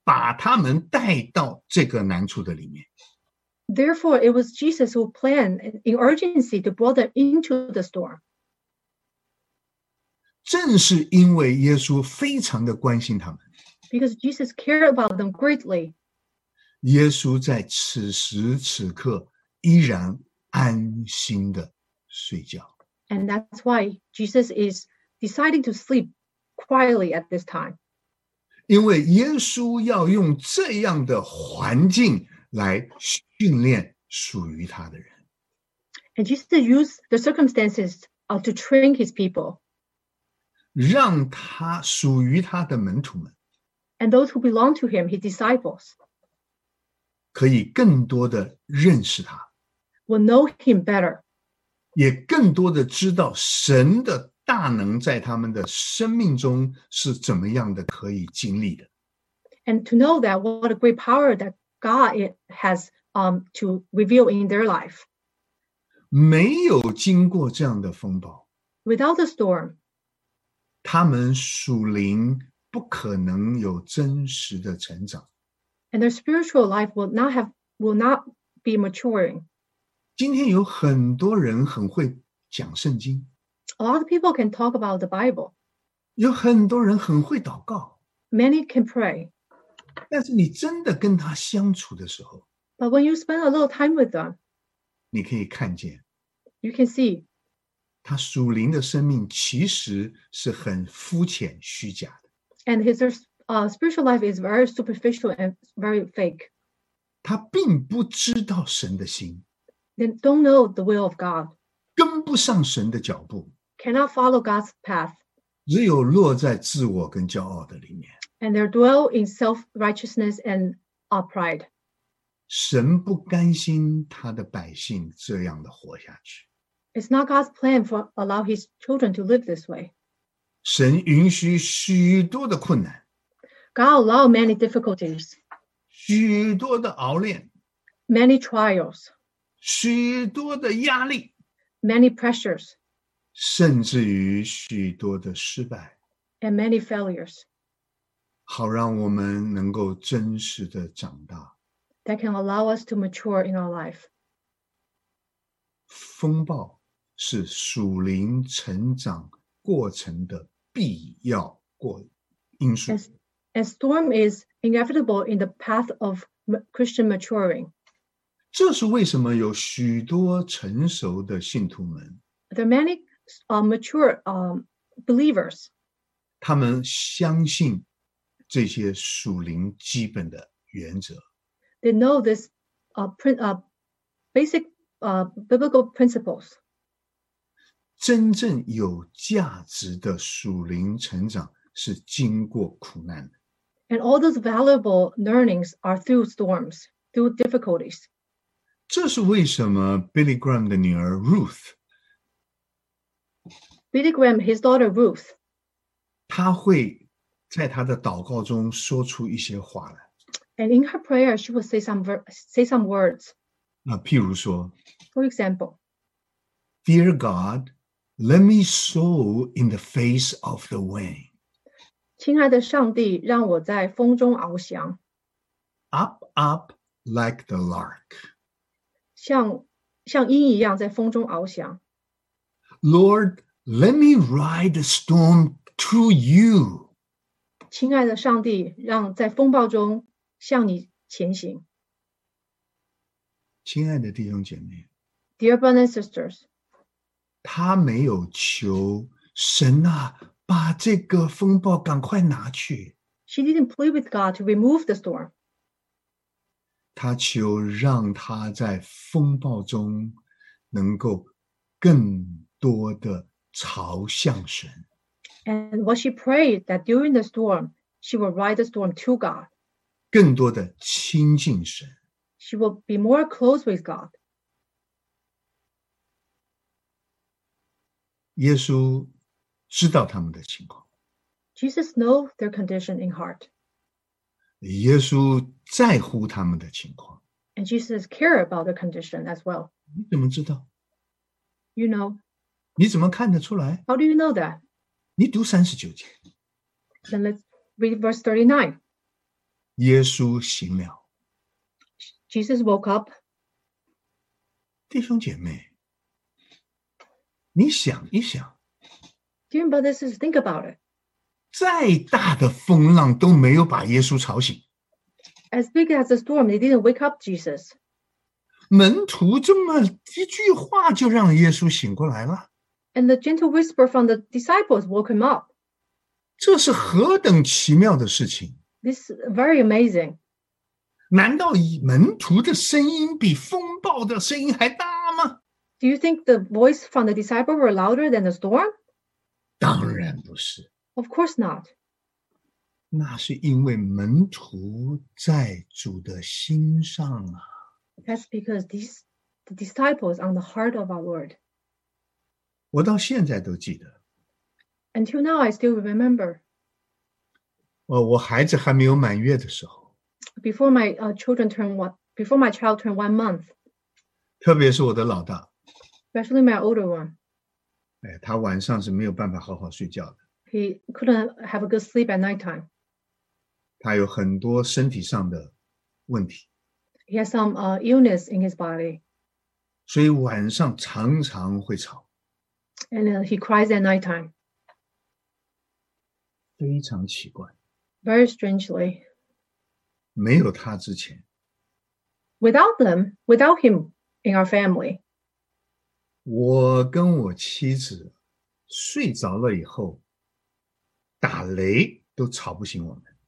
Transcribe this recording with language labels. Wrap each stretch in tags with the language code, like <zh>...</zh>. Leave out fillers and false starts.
<zh>耶稣才急忙地催着他们开船,把他们带到这个难处的里面。</zh> <en>Therefore, it was Jesus who planned in urgency to bring them into the storm.</en> <zh>正是因为耶稣非常的关心他们。</zh> <en>Because Jesus cared about them greatly.</en> <zh>耶稣在此时此刻依然安心地睡觉。</zh> <en>And that's why Jesus is deciding to sleep quietly at this time.</en> <zh>因为耶稣要用这样的环境来训练属于他的人。</zh> <en>And Jesus used the circumstances to train his people.</en> <zh>让他属于他的门徒们。</zh> <en>And those who belong to him, his disciples.</en> <zh>可以更多的认识他,</zh> <en>will know him better,</en> <zh>也更多的知道神的大能在他们的生命中是怎么样的可以经历的。</zh> <en>And to know that what a great power that God has to reveal in their life.</en> <zh>没有经过这样的风暴。</zh> <en>Without the storm.</en> <zh>他们属灵不可能有真实的成长。</zh> <en>And their spiritual life will not be maturing.</en> <zh>今天有很多人很会讲圣经。</zh> <en>A lot of people can talk about the Bible.</en> <zh>有很多人很会祷告。</zh> <en>Many can pray.</en> <zh>但是你真的跟他相处的时候。</zh> <en>But when you spend a little time with them.</en> <zh>你可以看见。</zh> <en>You can see.</en> <zh>他属灵的生命其实是很肤浅虚假的。</zh> <en>And his spiritual life is very superficial and very fake.</en> <zh>他并不知道神的心。</zh> <en>They don't know the will of God.</en> <zh>跟不上神的脚步。</zh> <en>Cannot follow God's path.</en> <zh>只有落在自我跟骄傲的里面。</zh> <en>And they dwell in self-righteousness and pride.</en> <zh>神不甘心他的百姓这样的活下去。</zh> <en>It's not God's plan for allow his children to live this way.</en> <zh>神允许许多的困难。</zh> <en>God allowed many difficulties.</en> <zh>许多的熬炼。</zh> <en>Many trials.</en> <zh>许多的压力。</zh> <en>Many pressures.</en> <zh>甚至于许多的失败。</zh> <en>And many failures.</en> <zh>好让我们能够真实的长大。</zh> <en>That can allow us to mature in our life.</en> <zh>风暴是属灵成长过程的必要过因素。</zh> <en>And storm is inevitable in the path of Christian maturing.</en> <zh>这是为什么有许多成熟的信徒们。</zh> <en>There are many mature believers.</en> <zh>他们相信这些属灵基本的原则。</zh> <en>They know this basic biblical principles.</en> <zh>真正有价值的属灵成长是经过苦难的。</zh> <en>And all those valuable learnings are through storms, through difficulties.</en> <zh>这是为什么 Billy Graham 的女儿 Ruth.</zh> <en>Billy Graham, his daughter Ruth.</en> <zh>她会在她的祷告中说出一些话来。</zh> <en>And in her prayer, she would say some words.</en> <zh>那譬如说。</zh> <en>For example. Dear God, let me sow in the face of the wind.</en> <zh>亲爱的上帝，让我在风中翱翔。</zh> <en>Up, up like the lark.</en> <zh>像鹰一样在风中翱翔。</zh> <en>Lord, let me ride the storm through you.</en> <zh>亲爱的上帝，让在风暴中向你前行。亲爱的弟兄姐妹。</zh> <en>Dear brothers and sisters.</en> <zh>他没有求神啊。把这个风暴赶快拿去。</zh> <en>She didn't plead with God to remove the storm.</en> <zh>她求让她在风暴中能够更多的朝向神。</zh> <en>And what she prayed that during the storm, she will ride the storm to God.</en> <zh>更多的亲近神。</zh> <en>She will be more close with God.</en> <zh>耶稣知道他们的情况。</zh> <en>Jesus knows their condition in heart.</en> <zh>耶稣在乎他们的情况。</zh> <en>And Jesus cares about their condition as well.</en> <zh>你怎么知道？</zh> <en>You know.</en> <zh>你怎么看得出来？</zh> <en>How do you know that?</en> <zh>你读三十九节。</zh> <en>Then let's read verse 39.</en> <zh>耶稣醒了。</zh> <en>Jesus woke up.</en> <zh>弟兄姐妹，你想一想。</zh> <en>Dear brothers, think about it.</en> <zh>再大的风浪都没有把耶稣吵醒。</zh> <en>As big as a storm, they didn't wake up Jesus.</en> <zh>门徒这么一句话就让耶稣醒过来了。</zh> <en>And the gentle whisper from the disciples woke him up.</en> <zh>这是何等奇妙的事情。</zh> <en>This is very amazing.</en> <zh>难道门徒的声音比风暴的声音还大吗？</zh> <en>Do you think the voice from the disciples were louder than the storm?</en> <zh>当然不是。</zh> <en>Of course not.</en> <zh>那是因为门徒在主的心上啊。</zh> <en>That's because the disciples on the heart of our Lord.</en> <zh>我到现在都记得。</zh> <en>Until now, I still remember.</en> <zh>我孩子还没有满月的时候。</zh> <en>Before my child turned 1 month.</en> <zh>特别是我的老大。</zh> <en>Especially my older one.</en> <zh>哎，他晚上是没有办法好好睡觉的。</zh> <en>He couldn't have a good sleep at night time.</en> <zh>他有很多身体上的问题。</zh> <en>He has some illness in his body.</en> <zh>所以晚上常常会吵。</zh> <en>And he cries at night time.</en> <zh>非常奇怪。</zh> <en>Very strangely.</en> <zh>没有他之前。</zh> <en>Without him in our family.</en> <zh>我跟我妻子睡着了以后打雷都吵不醒我们。</zh>